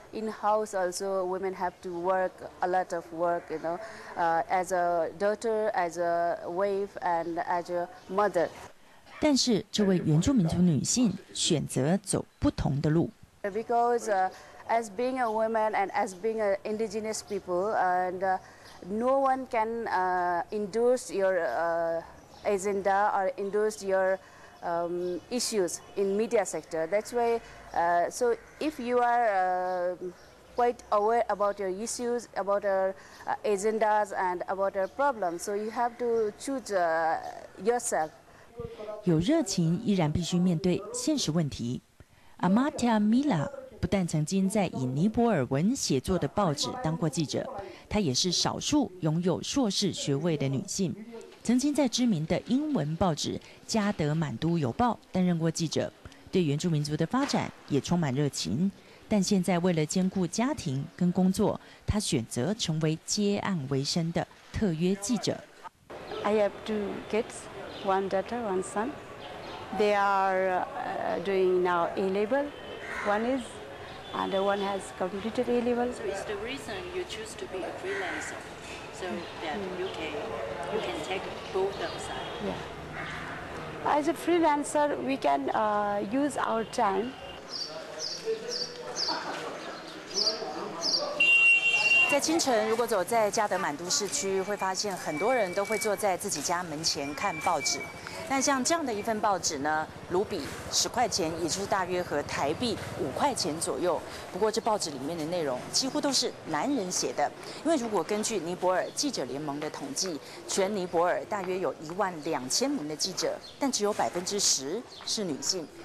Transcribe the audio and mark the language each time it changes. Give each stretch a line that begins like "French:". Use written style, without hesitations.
English: In house also, women have to work a lot of work, you know, as a daughter, as a wife, and as a mother.
Chinese: 但是这位原住民族女性选择走不同的路。
English: Because as being a woman and as being an indigenous people, and no one can endorse your agenda or endorse your issues in media sector. That's why, so if you are quite aware about your issues, about our agendas and about our problems, so you have to choose yourself.
Chinese: 有热情依然必须面对现实问题。Amartya Mila 不但曾经在以尼泊尔文写作的报纸当过记者，她也是少数拥有硕士学位的女性，曾经在知名的英文报纸加德满都邮报担任过记者。对对原住民族的发展也充满热情，但现在为了兼顾家庭跟工作，他选择成为接案为生的特约记者。
English: I have two kids, one daughter, one son. They are doing now A level. One is, and the one has completed A level. So it's the reason you choose to be a freelancer, so that you can take both of them. Yeah. As a freelancer, we can use our time.
Chinese: 在清晨，如果走在加德满都市区，会发现很多人都会坐在自己家门前看报纸。那像这样的一份报纸呢，卢比10块钱，也就是大约和台币5块钱左右。不过这报纸里面的内容几乎都是男人写的，因为如果根据尼泊尔记者联盟的统计，全尼泊尔大约有12000名的记者，但只有10%是女性。